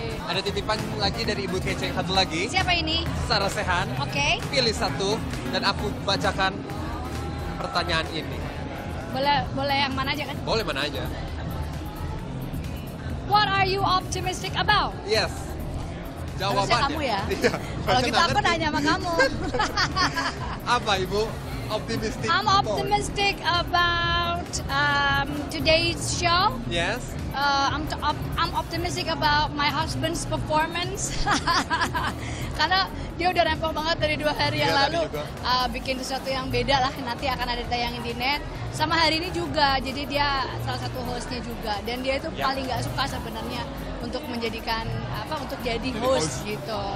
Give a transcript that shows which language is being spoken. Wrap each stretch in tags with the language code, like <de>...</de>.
<id>Ada titipan lagi dari ibu kece yang satu lagi. Siapa ini? Sarah Sehan. Oke. Okay. Pilih satu dan aku bacakan pertanyaan ini. Boleh yang mana aja kan? Boleh mana aja.</id> <en>What are you optimistic about?</en> <id>Yes. Jawabannya. Terusnya kamu ya? Kalau gitu aku nanya sama kamu. Apa Ibu? Optimistic</id> <en>about today's show. Yes. I'm optimistic about my husband's performance.</en> <id>Karena dia udah rempong banget dari 2 hari yang lalu. Bikin sesuatu yang beda lah, nanti akan ada ditayangin di net. Sama hari ini juga, jadi dia salah satu hostnya juga. Dan dia itu paling gak suka sebenarnya untuk menjadikan, untuk jadi host gitu.</id>